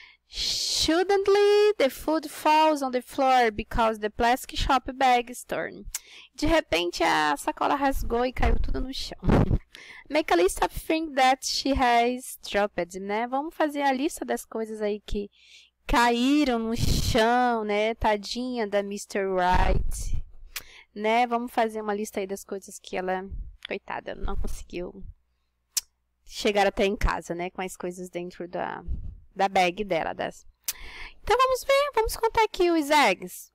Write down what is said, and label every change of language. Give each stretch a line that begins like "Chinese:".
English: Shouldn'tly, the food falls on the floor because the plastic shop bag is torn.
Portuguese: De repente, a sacola rasgou e caiu tudo no chão.
English: Make a list of things that she has dropped, né?
Portuguese: Vamos fazer a lista das coisas aí que caíram no chão, né? Tadinha da Mr. Wright, né? Vamos fazer uma lista aí das coisas que ela, coitada, não conseguiu chegar até em casa, né? Com as coisas dentro da bag dela, das. Então, vamos ver, vamos contar aqui os eggs.